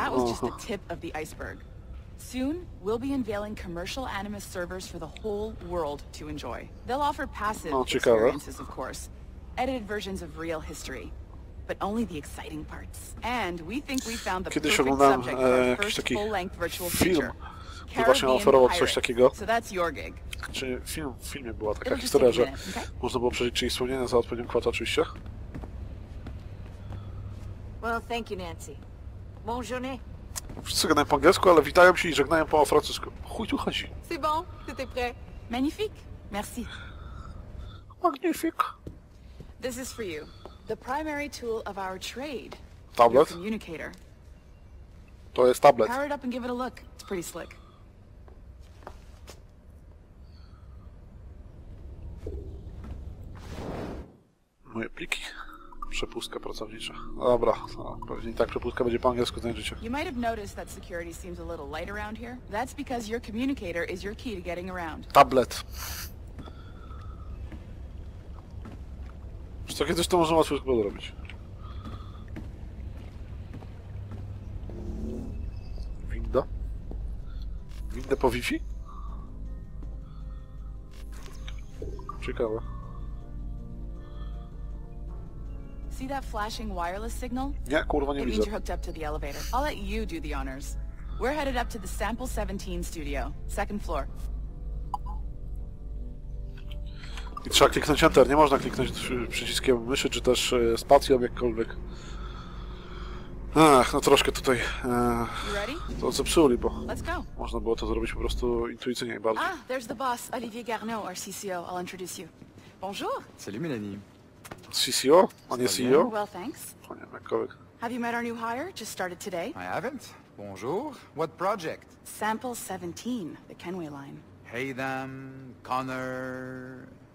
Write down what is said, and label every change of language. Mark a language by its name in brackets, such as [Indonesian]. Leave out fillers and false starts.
[English] That was just the tip of the iceberg. Soon, we'll be unveiling commercial Animus servers for the whole world to enjoy. They'll offer passive experiences, of course. Edited versions of real history. But only the exciting parts. And we think we found the perfect subject for our first full-length virtual feature. Caribbean Pirates. So that's your gig. [Polish] Czy w filmie była taka historia, że można było przeżyć czyjeś wspomnienia za odpowiednią kwotę, oczywiście? [English] Well, thank you, Nancy. Bonjour. [Polish] Wszyscy gadają po angielsku, ale witają się i żegnają po francusku. Chuj tu chodzi. [French] C'est bon, t'étais prêt. Magnifique, merci. Magnifique. [English] This is for you. The primary tool of our trade. Tablet? Your communicator. [Polish] To jest tablet. [English] Power it up and give it a look. It's pretty slick. [Polish] Moje pliki. przepustka pracownicza. Dobra, to pewnie tak przepustka będzie po angielsku znajdziecie. [English] You might have noticed that security seems a little light around here. That's because your communicator is your key to getting around. Tablet. [Polish] Czy to kiedyś to można łatwo chyba zrobić? Winda? Winda po Wi-Fi? Ciekawe. [English] See that flashing wireless signal? [Polish] Nie, kurwa, nie [English] It [Polish] widzę. [English] Means you're hooked up to the elevator. I'll let you do the honors. We're headed up to the Sample 17 studio, second floor. [Polish] I trzeba kliknąć Enter. Nie można kliknąć przyciskiem myszy, czy też spacją jakkolwiek. Ach, no troszkę tutaj to zepsuli, bo można było to zrobić po prostu intuicyjnie i bardzo. [English] Ah, there's the boss, Olivier Garneau, our CCO. I'll introduce you. Bonjour. [French] Salut, Mélanie. [Polish] CCO? A nie CEO? [English] Well, thanks. Have you met our new hire? Just started today. I haven't. Bonjour. What project? Sample 17, the Kenway line. Haytham, Connor...